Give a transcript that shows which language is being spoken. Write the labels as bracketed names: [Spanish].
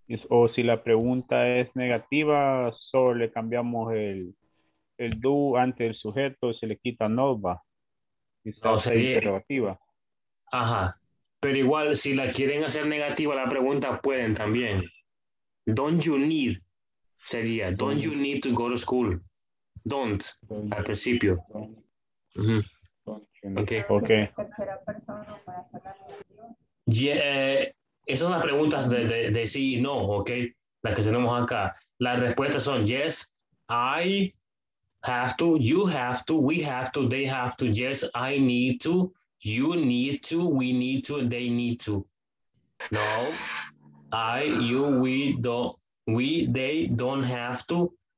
[Spanish] O si la pregunta es negativa, solo le cambiamos el do ante el sujeto, se le quita no, va. O sería negativa. Ajá. Pero igual, si la quieren hacer negativa la pregunta, pueden también. [English] Don't you need, [Spanish] sería, [English] don't you need to go to school. Don't, [Spanish] al principio. Uh-huh. Ok. [English] Yeah, [Spanish] esas son las preguntas de sí y no, ok, las que tenemos acá. Las respuestas son [English] yes, I have to, you have to, we have to, they have to, yes, I need to, you need to, we need to, and they need to. No, I, you, we, don't, we, they don't have to.